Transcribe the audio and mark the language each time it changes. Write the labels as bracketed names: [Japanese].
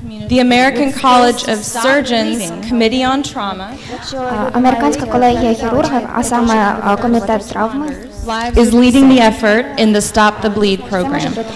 [English] The American College of Surgeons Committee on Trauma, [Ukrainian] американська колегія хірургів, а саме комітет травми, [English] is leading the effort in the Stop the Bleed program.